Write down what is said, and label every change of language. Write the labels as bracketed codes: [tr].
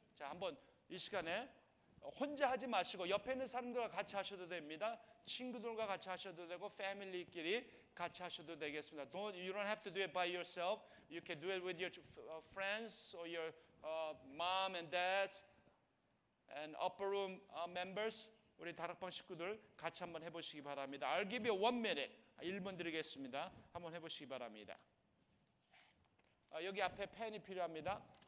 [ko] 자, 한번 이 시간에 혼자 하지 마시고 옆에 있는 사람들과 같이 하셔도 됩니다. 친구들과 같이 하셔도 되고 패밀리끼리 같이 하셔도 되겠습니다. [en] Don't, you don't have to do it by yourself. You can do it with your friends or your mom and dads and upper room members. [ko] 우리 다락방 식구들 같이 한번 해보시기 바랍니다. [en] I'll give you one minute. [ko] 1분 드리겠습니다. 한번 해보시기 바랍니다. 여기 앞에 펜이 필요합니다.